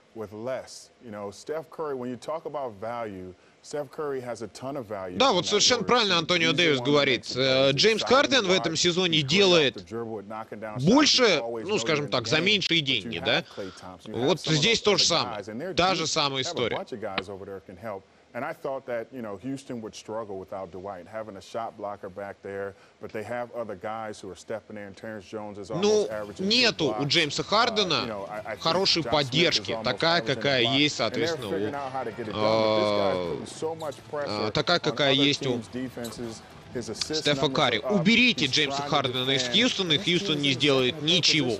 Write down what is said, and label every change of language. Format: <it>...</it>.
<ru>Да, вот совершенно правильно Антонио Дэвис говорит. Джеймс Харден в этом сезоне делает больше, ну, скажем так, за меньшие деньги, да? Вот здесь то же самое. Та же самая история.</ru> <en>And I thought that, you know, Houston would struggle without Dwight, having a shot blocker back there, but they have other guys who are stepping in. Terrence Jones is almost averaging.</en> <ru>Ну, нету у Джеймса Хардена хорошей поддержки, такая, какая есть, соответственно, у Стефа Карри. Уберите Джеймса Хардена из Хьюстона, и Хьюстон не сделает ничего.</ru>